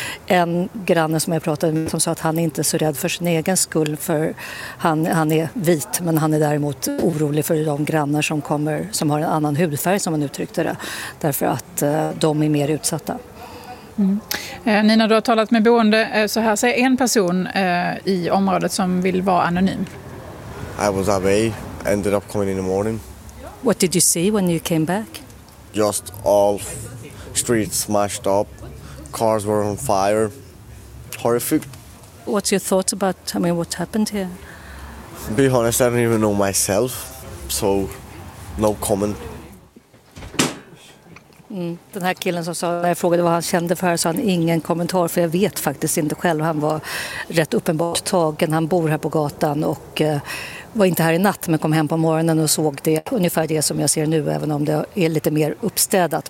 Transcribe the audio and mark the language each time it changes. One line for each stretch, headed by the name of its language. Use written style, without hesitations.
Swedish: En granne som jag pratade med som sa att han inte är så rädd för sin egen skull, för han är vit, men han är däremot orolig för de grannar som kommer som har en annan hudfärg, som han uttryckte det, därför att de är mer utsatta. Nina, du har talat med boende, så här säger en person i området som vill vara anonym.
English: I was away. Ended up coming in the morning. What did you see when you came back? Just all streets smashed up, cars were on fire, horrific. What's your thoughts about, what happened here? Be honest, I don't even know myself, so no comment.
Swedish: Den här killen som sa, när jag frågade vad han kände för här, sa han ingen kommentar, för jag vet faktiskt inte själv. Han var rätt uppenbart tagen, han bor här på gatan och var inte här i natt, men kom hem på morgonen och såg det ungefär det som jag ser nu, även om det är lite mer uppstädat.